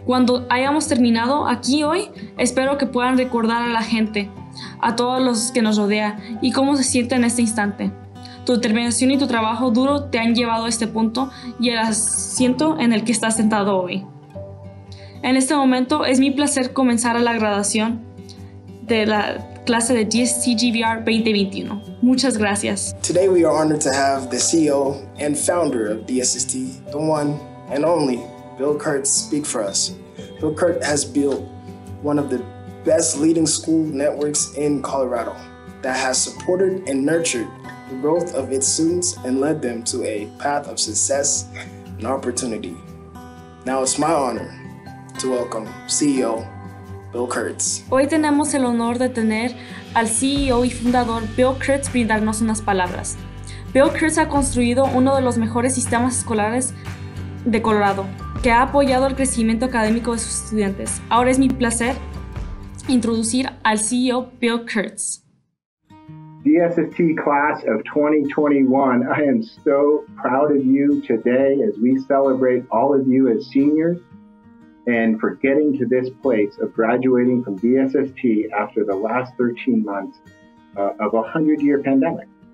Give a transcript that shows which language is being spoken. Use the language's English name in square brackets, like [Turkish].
[Spanish] Cuando hayamos terminado aquí hoy, espero que puedan recordar a la gente, a todos los que nos rodea y cómo se sienten en este instante. Tu determinación y tu trabajo duro te han llevado a este punto y el asiento en el que estás sentado hoy. En este momento es mi placer comenzar a la graduación de la clase de DSST GBR 2021. Muchas gracias. [English] Today we are honored to have the CEO and founder of DSST, the one and only Bill Kurtz, speak for us. Bill Kurtz has built one of the best leading school networks in Colorado that has supported and nurtured the growth of its students and led them to a path of success and opportunity. Now it's my honor to welcome CEO Bill Kurtz. [Spanish] Hoy tenemos el honor de tener al CEO y fundador Bill Kurtz brindarnos unas palabras. Bill Kurtz ha construido uno de los mejores sistemas escolares de Colorado, que ha apoyado el crecimiento académico de sus estudiantes. Ahora es mi placer introducir al CEO Bill Kurtz. [English] DSST Class of 2021, I am so proud of you today as we celebrate all of you as seniors. And for getting to this place of graduating from DSST after the last 13 months of a 100-year pandemic.